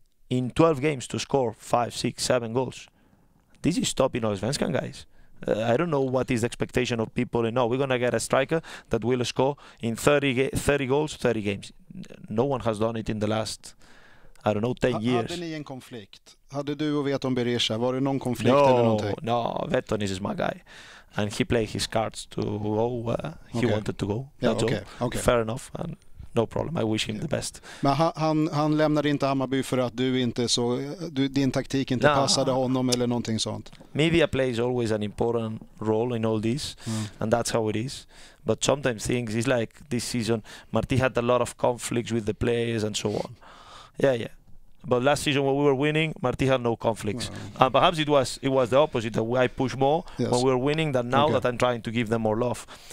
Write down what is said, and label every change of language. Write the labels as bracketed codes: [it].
[en] In 12 games to score 5, 6, 7 goals. This is top in Allsvenskan, guys. I don't know what is the expectation of people. No, we're going to get a striker that will score in 30 goals, 30 games. No one has done it in the last, I don't know, 10 years. [sv] Hade ni en konflikt? Hade du och Veton Berisha? Var det någon konflikt eller någonting? [en] No, Veton is my guy. And he played his cards to go where he wanted to go. That's okay. Fair enough. And no problem. I wish him the best. [sv] Men han lämnade inte Hammarby för att din taktik inte passade honom eller någonting sånt. [en] Media plays always an important role in all this, and that's how it is. But sometimes things is like this season. Marti had a lot of conflicts with the players and so on. Yeah. But last season when we were winning, Marti had no conflicts. And perhaps it was the opposite, that I push more when we were winning than now that I'm trying to give them more love.